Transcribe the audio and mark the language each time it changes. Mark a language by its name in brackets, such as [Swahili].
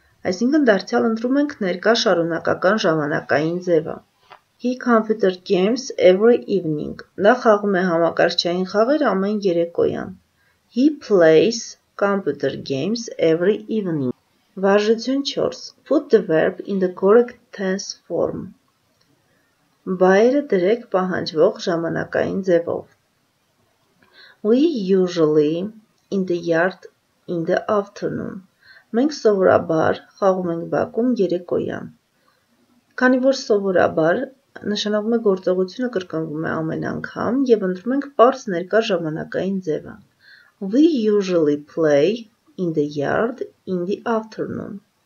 [Armenian] Այսինքն դարձյալ ընտրում ենք ներկա շարունակական ժամանակային ձևը։ [English] He computer games every evening. [Armenian] Նա խաղում է համակարգչային խաղեր ամեն երեկոյան։ [English] He plays computer games every evening. [Armenian] Վարժություն 4. [English] Put the verb in the correct tense form. [Armenian] Բայերը դրեք պահանջվող ժամանակային ձևով. [English] We usually in the yard in the afternoon. [Armenian] Մենք սովորաբար խաղում ենք բակում երեկոյան։ Քանի որ սովորաբար նշանակում է գործողությունը կրկնվում է ամեն անգամ եւ ընտրում ենք պարզ ներկա ժամանակային ձևը։ [English] We usually play in the yard in the afternoon.